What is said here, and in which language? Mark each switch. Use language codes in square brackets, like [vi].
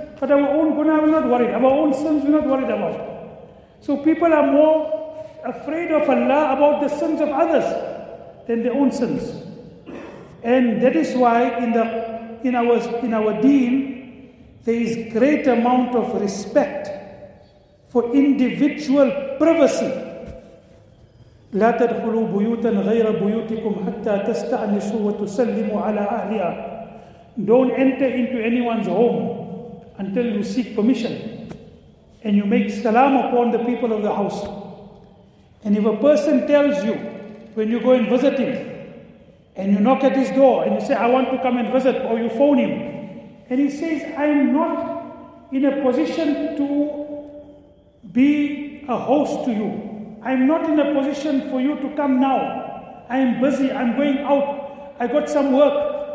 [en] But our own guna, we're not worried. Our own sins, we're not worried about. So people are more afraid of Allah about the sins of others than their own sins. And that is why in our deen, there is great amount of respect for individual privacy. [ar] لا تدخلوا بيوتا غير بيوتكم حتى تستأنسوا وتسلموا على أهلها. [en] Don't enter into anyone's home until you seek permission and you make salam upon the people of the house. And if a person tells you when you go and visit him and you knock at his door and you say, I want to come and visit, or you phone him and he says, I'm not in a position to be a host to you, I'm not in a position for you to come now, I'm busy, I'm going out, I got some work.